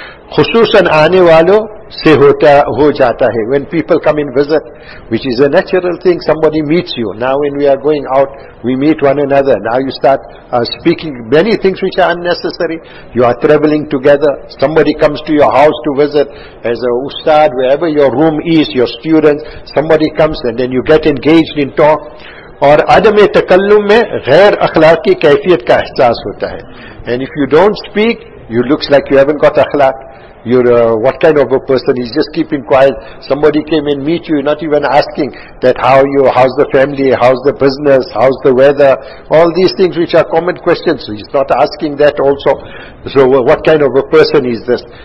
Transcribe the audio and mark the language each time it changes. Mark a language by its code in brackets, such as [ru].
[ur] خصوصاً آنے والوں سے ہوتا ہو جاتا ہے. [en] When people come and visit, which is a natural thing, somebody meets you. Now when we are going out, we meet one another. Now you start speaking many things which are unnecessary. You are traveling together. Somebody comes to your house to visit as a ustad, wherever your room is, your students. Somebody comes and then you get engaged in talk. [ur] اور عدم تکلم میں غیر اخلاقی کیفیت کا احساس ہوتا ہے. [en] And if you don't speak, you looks like you haven't got اخلاق. You're what kind of a person? He's just keeping quiet. Somebody came and meet you, you're not even asking that how you, how's the family, how's the business, how's the weather, all these things which are common questions. So he's not asking that also. So what kind of a person is this?